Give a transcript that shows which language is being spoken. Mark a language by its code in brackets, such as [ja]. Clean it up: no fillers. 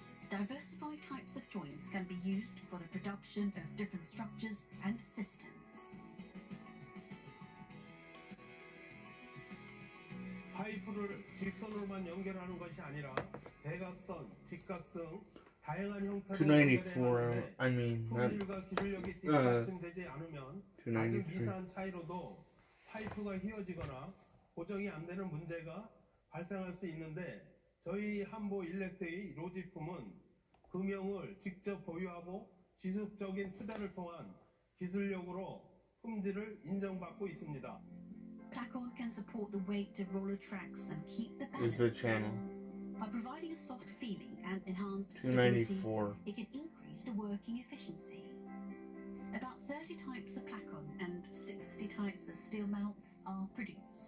[en] Diversified types of joints can be used for the production of different structures and systems. [ko] Pipe를 직선으로만 연결하는 것이 아니라 대각선, 직각 등 [en] 294, I mean, not, 293. [ko] 저희 한보 일렉트의 로지품은 금형을 직접 보유하고 지속적인 투자를 통한 기술력으로 품질을 인정받고 있습니다. [en] PACOR can support the weight of roller tracks and keep the balance. By providing a soft feeling and enhanced stability, it can increase the working efficiency. About 30 types of PLACON and 60 types of steel mounts are produced.